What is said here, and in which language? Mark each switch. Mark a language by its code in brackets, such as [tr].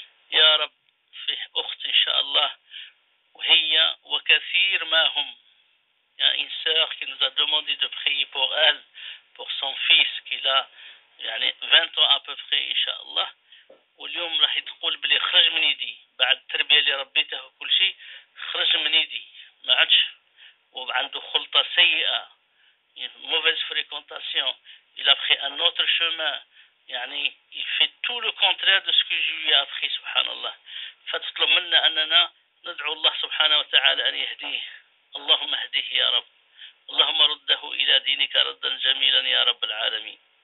[ar] يا رب في أخت إن شاء الله وهي وكثير ما هم يا إنسان [fr] qui nous a demandé de prier pour elle pour son fils qui a [ar] يعني [fr] 20 ans à peu près [ar] إن شاء الله. واليوم راح تقول بلي خرج من يدي بعد التربية اللي ربيتها وكل شيء، خرج من يدي ما عادش، وعنده خلطة سيئة [fr] mauvaise fréquentation. Il a pris un autre chemin. يعني il fait tout le contraire de ce que je lui ai appris. [ar] سبحان الله. فتطلب منا أننا ندعو الله سبحانه وتعالى أن يهديه. اللهم اهديه يا رب. اللهم رده إلى دينك ردا جميلا يا رب العالمين.